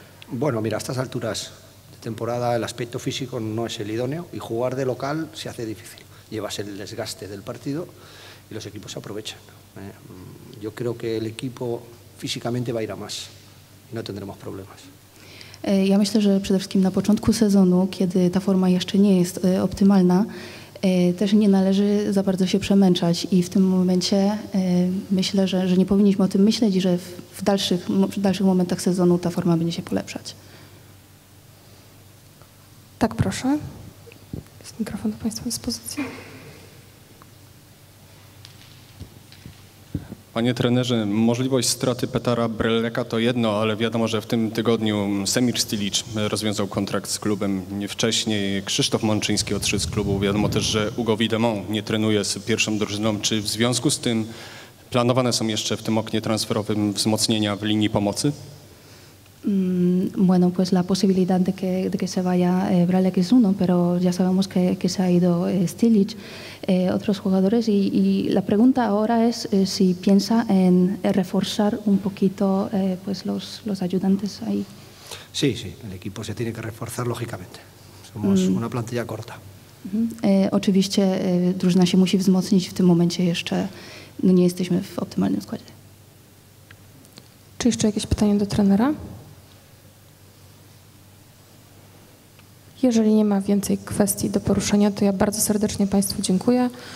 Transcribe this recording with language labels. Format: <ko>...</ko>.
<es>Bueno, mira, a estas alturas de temporada el aspecto físico no es el idóneo y jugar de local se hace difícil. Llevas el desgaste del partido y los equipos se aprovechan. Yo creo que el equipo físicamente va a ir a más y no tendremos problemas.</es> <pl>Ja myślę, że przede wszystkim na początku sezonu, kiedy ta forma jeszcze nie jest optymalna, też nie należy za bardzo się przemęczać i w tym momencie myślę, że nie powinniśmy o tym myśleć i że w dalszych momentach sezonu ta forma będzie się polepszać. Tak, proszę. Jest mikrofon do Państwa dyspozycji. Panie trenerze, możliwość straty Petera Breleka to jedno, ale wiadomo, że w tym tygodniu Semir Stilić rozwiązał kontrakt z klubem. Wcześniej Krzysztof Mączyński odszedł z klubu. Wiadomo też, że Hugo Widemont nie trenuje z pierwszą drużyną. Czy w związku z tym planowane są jeszcze w tym oknie transferowym wzmocnienia w linii pomocy?</pl> <es>Bueno, pues la posibilidad de que se vaya Bralek es uno, pero ya sabemos que se ha ido Stilić, otros jugadores, y la pregunta ahora es si piensa en reforzar un poquito pues los ayudantes ahí. Sí, sí, el equipo se tiene que reforzar, lógicamente. Somos una plantilla corta.</es> <pl>Oczywiście drużyna się musi wzmocnić, w tym momencie jeszcze no, nie jesteśmy w optymalnym składzie. Czy jeszcze jakieś pytanie do trenera? Jeżeli nie ma więcej kwestii do poruszenia, to ja bardzo serdecznie Państwu dziękuję.</pl>